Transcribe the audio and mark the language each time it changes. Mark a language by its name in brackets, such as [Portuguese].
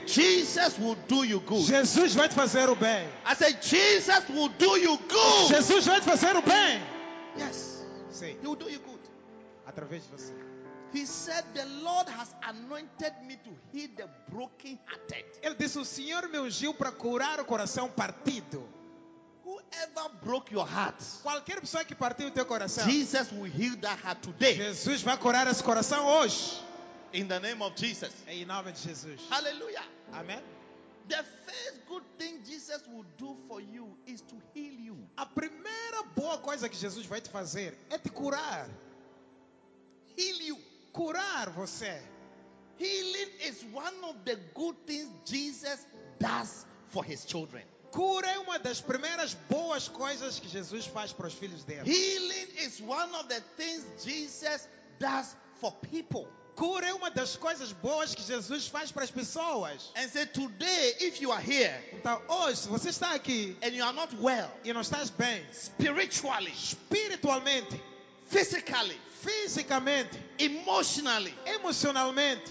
[English] Jesus will do you good. [Portuguese] Jesus vai te fazer o bem. [English] I say Jesus will do you good. [Portuguese] Jesus vai te fazer o bem. [English] Yes. [Portuguese] Sim. [English] He will do you good. [Portuguese] Através de você. [English] He said, "The Lord has anointed me to heal the brokenhearted." [Portuguese] Ele disse, o Senhor me ungiu para curar o coração partido. [English] Whoever broke your heart, [Portuguese] qualquer pessoa que partiu o teu coração, [English] Jesus will heal that heart today. [Portuguese] Jesus vai curar esse coração hoje. [English] In the name of Jesus. [Portuguese] Em nome de Jesus. [English] Hallelujah. Amen. The first good thing Jesus will do for you is to heal you. [Portuguese] A primeira boa coisa que Jesus vai te fazer é te curar. [English] Heal you. [Portuguese] Curar você. [English] Healing is one of the good things Jesus does for his children. [Portuguese] Cura é uma das primeiras boas coisas que Jesus faz para os filhos dele. [English] Healing is one of the things Jesus does for people. [Portuguese] Cura é uma das coisas boas que Jesus faz para as pessoas. [English] And say, today, if you are here, [Portuguese] então hoje, se você está aqui, [English] and you are not well, [Portuguese] e não estás bem, spiritualmente, [English] physically, [Portuguese] fisicamente, [English] emotionally, [Portuguese] emocionalmente,